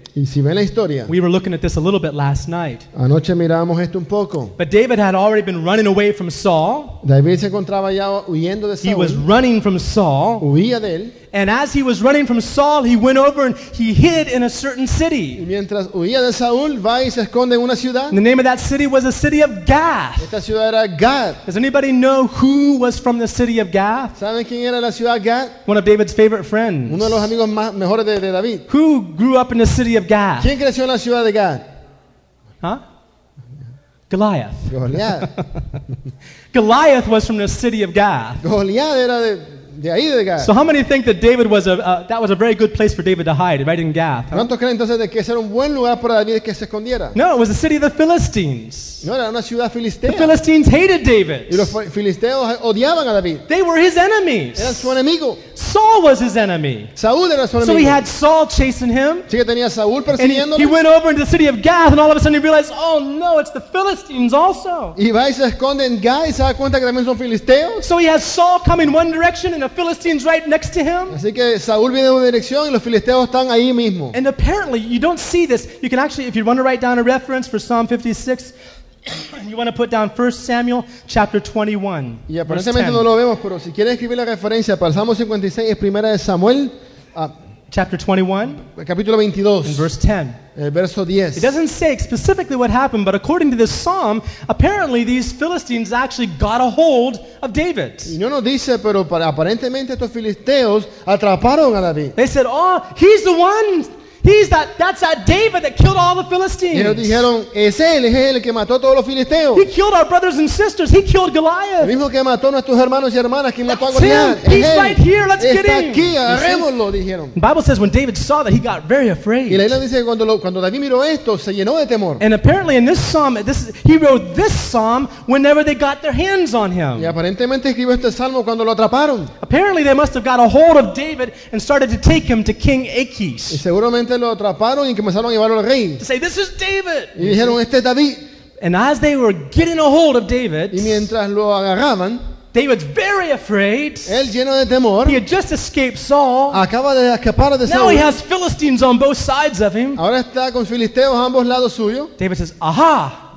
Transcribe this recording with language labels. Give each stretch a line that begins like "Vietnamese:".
Spanish: y si ven la historia,
English: we were looking at this a little bit last night.
Spanish: Anoche mirábamos esto un poco.
English: But David had already been running away from Saul.
Spanish: David se encontraba ya huyendo de Saul.
English: He was running from Saul.
Spanish: Huía de él.
English: And as he was running from Saul, he went over and he hid in a certain city.
Spanish: Y mientras huía de Saúl, va y se esconde en una ciudad.
English: The name of that city was the city of Gath.
Spanish: Esta ciudad era Gath.
English: Does anybody know who was from the city of Gath?
Spanish: ¿Saben quién era la ciudad Gath?
English: One of David's favorite friends.
Spanish: Uno de los amigos más mejores de David.
English: Who grew up in the city of Gath?
Spanish: ¿Quién creció en la ciudad de Gath?
English: Huh? Goliath.
Spanish: Goliath.
English: Goliath was from the city of Gath.
Spanish: Goliath era de...
English: So how many think that David was that was a very good place for David to hide, right in Gath?
Spanish: ¿Cuántos creen entonces de que era un buen lugar para David que se escondiera?
English: No, it was the city of the Philistines.
Spanish: No, era una ciudad filistea.
English: The Philistines hated David.
Spanish: Y los filisteos odiaban a David.
English: They were his enemies.
Spanish: Era su enemigo.
English: Saul was his enemy.
Spanish: Saúl era su enemigo.
English: So he had Saul chasing him.
Spanish: Sí, que tenía Saúl persiguiéndolo.
English: And he went over into the city of Gath, and all of a sudden he realized, oh no, it's the Philistines also.
Spanish: Y va y se esconde en Gath y se da cuenta que también son filisteos.
English: So he has Saul coming one direction and the Philistines right next to him.
Spanish: Así que Saúl viene en una dirección y los filisteos están ahí mismo.
English: And apparently, you don't see this. You can actually, if you want to write down a reference for Psalm 56, and you want to put down 1 Samuel chapter 21.
Spanish: Y aparentemente no lo vemos, pero si quieres escribir la referencia para Salmo 56 es primera de Samuel.
English: Chapter 21,
Spanish: capítulo 22,
English: in verse 10.
Spanish: Verso 10.
English: It doesn't say specifically what happened, but according to this psalm, apparently these Philistines actually got a hold of David.
Spanish: No nos dice, pero aparentemente estos filisteos atraparon a David.
English: They said, "Oh, he's the one. He's that. That's that David that killed all the Philistines."
Spanish: Y ellos dijeron, "Es él, es el que mató a todos los filisteos."
English: He killed our brothers and sisters. He killed Goliath.
Spanish: El mismo que mató a nuestros hermanos y hermanas, quien mató a Goliath.
English: Him. He's
Spanish: él.
English: Right here. Let's
Spanish: Está
English: get in.
Spanish: Está aquí. Agarrémoslo, dijeron.
English: The Bible says when David saw that, he got very afraid.
Spanish: Y la Biblia dice que cuando David miró esto, se llenó de temor.
English: And apparently in this psalm, he wrote this psalm whenever they got their hands on him.
Spanish: Y aparentemente escribió este salmo cuando lo atraparon.
English: Apparently they must have got a hold of David and started to take him to King Achish.
Spanish: Y seguramente lo atraparon y comenzaron a llevarlo al rey.
English: To say, "This is David."
Spanish: Y dijeron, "Este es David."
English: And as they were getting a hold of David,
Spanish: y mientras lo agarraban,
English: David's very afraid.
Spanish: Él lleno de temor.
English: He had just escaped Saul.
Spanish: Acaba de escapar de Saul.
English: Now he has Philistines on both sides of him.
Spanish: Ahora está con filisteos a ambos lados suyo.
English: David says, "Aha."